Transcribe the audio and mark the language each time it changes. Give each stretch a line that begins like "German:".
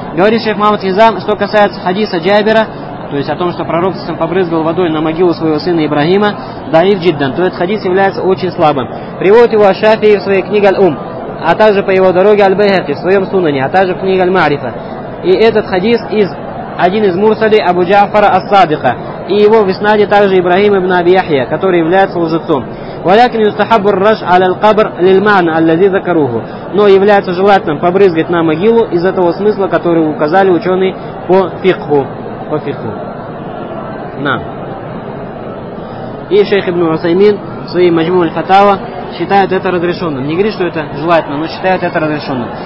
Russian: Говорит шейх Мамад Хизам, что касается хадиса Джабира, то есть о том, что пророк сам побрызгал водой на могилу своего сына Ибрахима,
Arabic: даиф джиддан,
Russian: то этот хадис является очень слабым. Приводит его Аш-Шафии в своей книге Аль-Ум, а также по его дороге Аль-Байхаки в своем Сунане, а также в книге Аль-Марифа. И этот хадис из один из мурсалей Абу Джафара Ас-Садиха, и его в иснаде также Ибрахим ибн Аби Яхья, который является лжецом.
Arabic: ولكن يستحب الرش على القبر للمعنى الذي ذكروه.
Russian: Но является желательным побрызгать на могилу из-за того смысла, который указали ученые по фикху. По фикху. Нам. И шейх ибн Усаймин в своей Маджмуа аль-Фатава считают это разрешенным. Не говорит, что это желательно, но считают это разрешенным.